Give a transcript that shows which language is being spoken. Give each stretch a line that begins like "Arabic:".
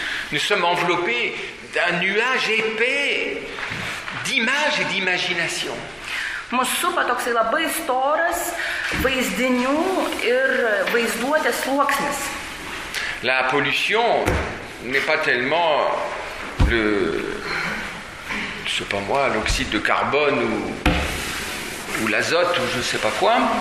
French: Nous sommes enveloppés d'un nuage épais d'images et d'imagination.
Lithuanian: Mus supa toksai labai storas vaizdinių ir vaizduotės sluoksnis.
French: La pollution n'est pas tellement le, je sais pas moi, l'oxyde de carbone ou l'azote ou je sais pas quoi.